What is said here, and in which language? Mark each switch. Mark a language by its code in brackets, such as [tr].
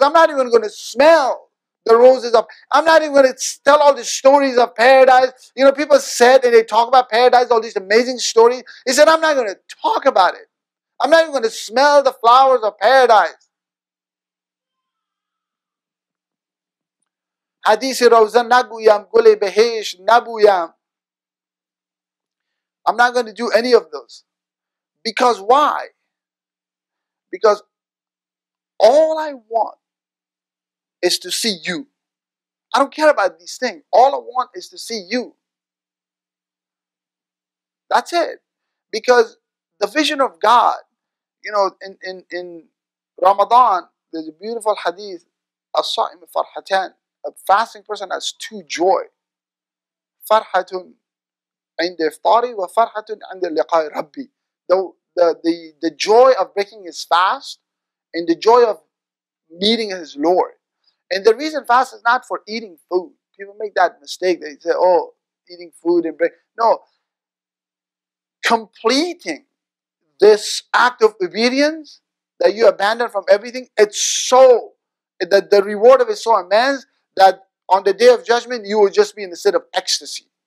[en] I'm not even going to smell the roses of... I'm not even going to tell all the stories of paradise. You know, people said and they talk about paradise, all these amazing stories. He said, I'm not going to talk about it. I'm not even going to smell the flowers of paradise. [fa] حدیث روزه نگویم گل بهش نبویم. [en] I'm not going to do any of those. Because why? Because all I want is to see you. I don't care about these things. All I want is to see you. That's it. Because the vision of God, you know, in Ramadan, there's a beautiful hadith, [ar] as-sa'im farhatan, [en] a fasting person has two joy. [ar] Farhatun عند إفطاري وفرحة عند لقاء ربي. [en] The joy of breaking his fast and the joy of meeting his Lord. And the reason fast is not for eating food. People make that mistake. They say, oh, eating food and break. No. Completing this act of obedience that you abandon from everything, it's so, that the reward of it is so immense that on the day of judgment, you will just be in a state of ecstasy.